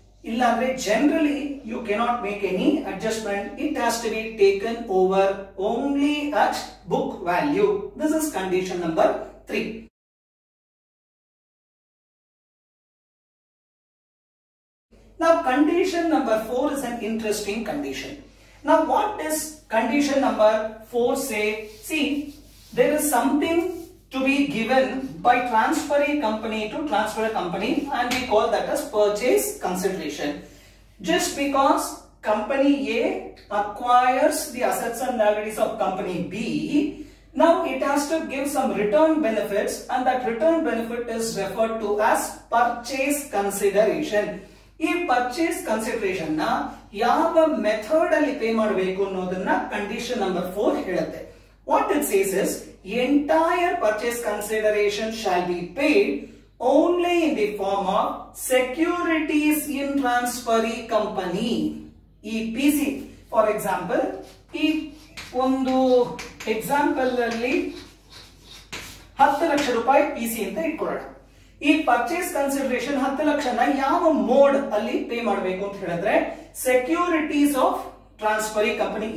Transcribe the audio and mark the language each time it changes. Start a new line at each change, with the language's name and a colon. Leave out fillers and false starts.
Kannada: ಇಲ್ಲಾಂದ್ರೆ
English: Generally you cannot make any adjustment. It has to be taken over only at book value. This is condition number 3. Now condition number 4 is an interesting condition. Now what is condition number 4 says, see there is something to be given by transferee company to transferor company and we call that as purchase consideration. Just because company A acquires the assets and liabilities of company B, now it has to give some return benefits and that return benefit is referred to as purchase consideration.
Kannada: ಈ purchase consideration ನ ಯಾವ method ಅಲ್ಲಿ pay ಮಾಡಬೇಕು ಅನ್ನೋದನ್ನ condition number 4 ಹೇಳುತ್ತೆ.
English: What it says is, entire purchase consideration shall be paid only in the form of securities in transferee company EPC. For example,
Kannada: ಈ ಒಂದು example ಅಲ್ಲಿ 10 ಲಕ್ಷ ರೂಪಾಯಿ ಪಿಸಿ ಅಂತ ಇಟ್ಕೊಳ್ಳೋಣ. ಈ ಪರ್ಚೇಸ್ ಕನ್ಸಿಡರೇಷನ್ 10 ಲಕ್ಷನ ಯಾವ ಮೋಡ್ ಅಲ್ಲಿ ಪೇ ಮಾಡಬೇಕು ಅಂತ ಹೇಳಿದ್ರೆ
English: Securities of transferee company.